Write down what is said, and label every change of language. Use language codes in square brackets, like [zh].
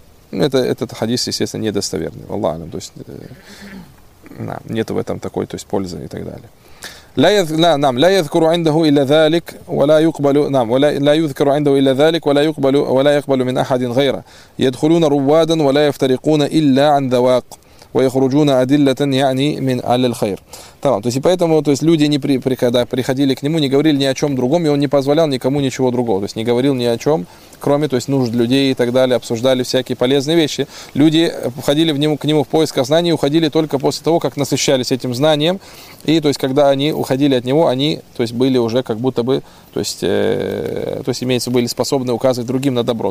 [ru] Этот хадис, естественно, недостоверный. Аллах алям, то есть нет в этом такой, то есть пользы и так далее. [ar] لا يذكر عنده إلا ذلك ولا يقبل نعم ولا يذكر عنده إلا ذلك ولا يقبل ولا يقبل من أحد غيره يدخلون روادا ولا يفترقون إلا عن ذواق ويخرجون أدلة يعني من على الخير. Тамам. [ru] То есть и поэтому, то есть люди не когда приходили к нему, не говорили ни о чем другом, и он не позволял никому ничего другого. То есть не говорил ни о чем, кроме, то есть нужд людей и так далее, обсуждали всякие полезные вещи. Люди входили к нему в поисках знаний, уходили только после того, как насыщались этим знанием, и то есть когда они уходили от него, они, то есть были уже как будто бы, то есть имеется были способны указывать другим на добро.